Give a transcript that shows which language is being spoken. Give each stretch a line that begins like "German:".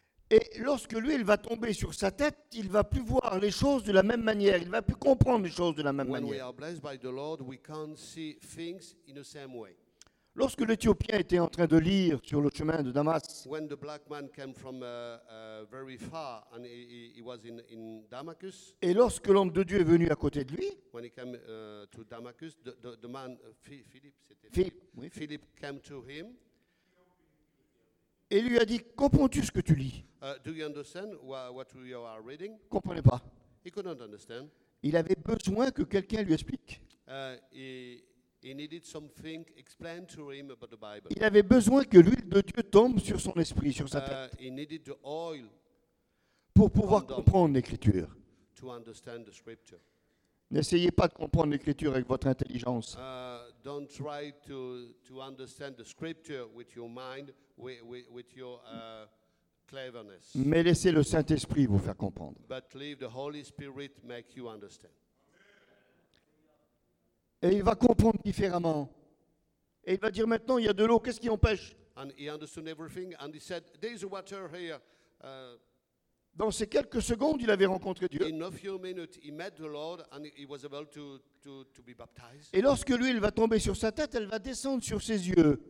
French: Et lorsque l'huile va tomber sur sa tête, il ne va plus voir les choses de la même manière, il ne va plus comprendre les choses de la même
English: when
French: manière.
English: We are blessed by the Lord, we can't see things in the same way.
French: Lorsque l'Éthiopien était en train de lire sur le chemin de Damas,
English: when the black man came from very far and he was in Damascus,
French: et lorsque l'homme de Dieu est venu à côté de lui,
English: when he came to Damascus, the man Philippe,
French: c'était Philippe, oui.
English: Philippe came to him
French: et lui a dit, comprends-tu ce que tu lis?
English: Do you understand what you are reading?
French: Comprenez pas.
English: He couldn't understand.
French: Il avait besoin que quelqu'un lui explique.
English: He needed something explained to him about the Bible.
French: Il avait besoin que l'huile de Dieu tombe sur son esprit, sur sa tête.
English: He needed the oil
French: pour pouvoir comprendre l'Écriture.
English: To understand the scripture.
French: N'essayez pas de comprendre l'Écriture avec votre intelligence.
English: Don't try to understand the scripture with your mind, with your cleverness.
French: Mais laissez le Saint-Esprit vous faire comprendre.
English: But leave the Holy Spirit make you understand.
French: Et il va comprendre différemment. Et il va dire maintenant, il y a de l'eau, qu'est-ce qui empêche?
English: And he understood everything and he said, there's water here.
French: Dans ces quelques secondes, il avait rencontré Dieu.
English: In a few minutes, he met the Lord and he was able to be baptized.
French: Et lorsque l'huile va tomber sur sa tête, elle va descendre sur ses yeux.